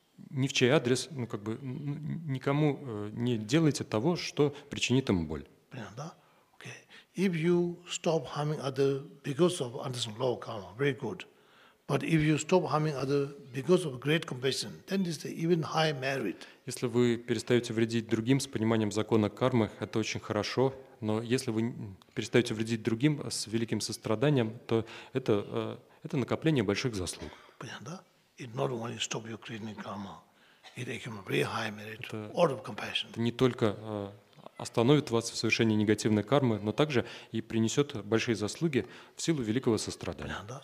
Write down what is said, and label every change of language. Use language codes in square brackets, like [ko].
[ru] Ни в чей адрес, никому не делайте того, что причинит им боль. Понятно, да? [en] Okay. If you stop harming other because of understanding law of karma, very good. But if you stop harming other because of great compassion, then this is even high merit. [ru] Если вы перестаете вредить другим с пониманием закона кармы, это очень хорошо. Но если вы перестаете вредить другим с великим состраданием, то это накопление больших заслуг. Понятно, да? [en] It not only stop your creating karma, it accumulates very high merit out of compassion. [ru] Это не только остановит вас в совершении негативной кармы, но также и принесет большие заслуги в силу великого сострадания.